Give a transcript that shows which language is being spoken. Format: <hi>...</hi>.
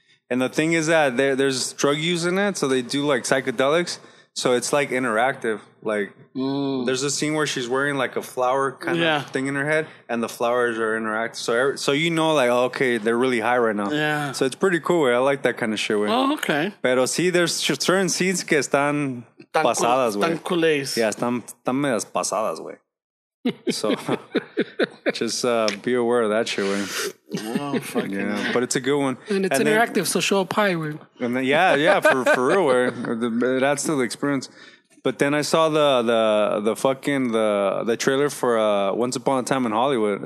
<en>And the thing is that there's drug use in it, so they do like psychedelics. So it's like interactive. Like, there's a scene where she's wearing like a flower kind of thing in her head, and the flowers are interactive. So you know, like, okay, they're really high right now. Yeah. So it's pretty cool. Right? I like that kind of shit. Right? Oh, okay.</en> <es>Pero sí,</es> <en>there's certain scenes</en> <es>que están tan pasadas, güey. Están culés. Yeah, están medias pasadas, güey.</es> <en>So just be aware of that shit, man. Oh, fucking yeah, man. But it's a good one. And it's interactive, so show up high, man. And then, yeah, for real, man. That's still the experience. But then I saw the trailer for Once Upon a Time in Hollywood.</en>